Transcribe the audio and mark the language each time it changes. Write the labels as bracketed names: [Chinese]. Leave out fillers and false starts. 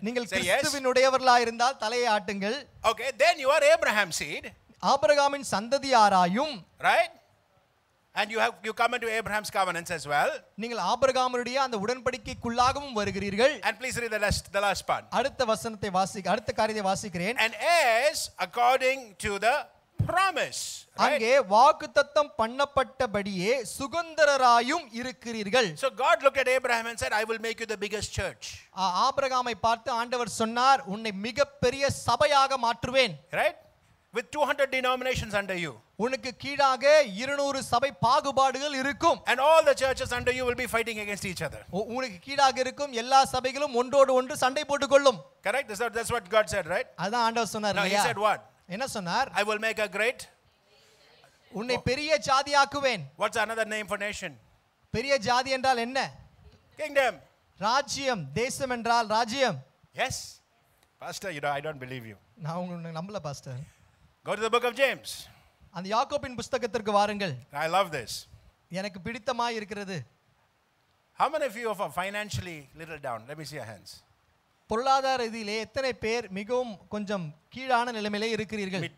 [Tamil] நீங்கள் கிறிஸ்துவினுடையவர்களா இருந்தால் தலையை ஆட்டுங்கள். [English] Okay, then you are Abraham's seed. [Tamil] ஆபிரகாமின் சந்ததியாராயும், [English] right? And you come into Abraham's covenants as well. [Tamil] நீங்கள் ஆபிரகாமருடைய அந்த உடன்படிக்கைக்குள்ளாகவும் வருகிறீர்கள். [English] And please read the last part. [Tamil] அடுத்த வசனத்தை வாசிக்க அடுத்த காரியத்தை வாசிக்கிறேன். [English] And as according to the promise. [Tamil] அங்கே வாக்குத்தத்தம் பண்ணப்பட்டபடியே சுகந்தரராயும் இருக்கிறீர்கள். [English] So God looked at Abraham and said, I will make you the biggest church. [Tamil] ஆபிரகாமை பார்த்து ஆண்டவர் சொன்னார், உன்னை மிகப்பெரிய சபையாக மாற்றுவேன். [English] Right? with 200 denominations under you. [Tamil] உனக்கு கீழாக 200 சபை பாகுபாடுகள் இருக்கும். [English] And all the churches under you will be fighting against each other. [Tamil] உனக்கு கீழாக இருக்கும் எல்லா சபைகளும் ஒன்றோடு ஒன்று சண்டை போட்டுக்கொள்ளும். [English] Correct? That's what God said, right? [Tamil] அதான் ஆண்டவர் சொன்னார் இல்லையா? [English] He said what? [Tamil] என்ன சொன்னார்? [English] I will make a great [Tamil] உன்னை பெரிய ஜாதியாக்குவேன். [English] What's another name for nation? [Tamil] பெரிய ஜாதி என்றால் என்ன? [English] Kingdom. [Tamil] ராஜ்யம், தேசம் என்றால் ராஜ்யம். [English] Yes. Pastor, you know, I don't believe you. [Tamil] நான் உங்களை நம்பல pastor. [English] Go to the book of James. [Tamil] அந்த யாக்கோபின் புத்தகத்திற்கு வாருங்கள். [English] I love this. [Tamil] எனக்கு பிடித்தமாய் இருக்கிறது. [English] How many of you are financially little down? Let me see your hands. [Tamil] பொருளாதார இதிலே எத்தனை பேர் மிகவும் கொஞ்சம் கீழான நிலையிலே இருக்கிறீர்கள்?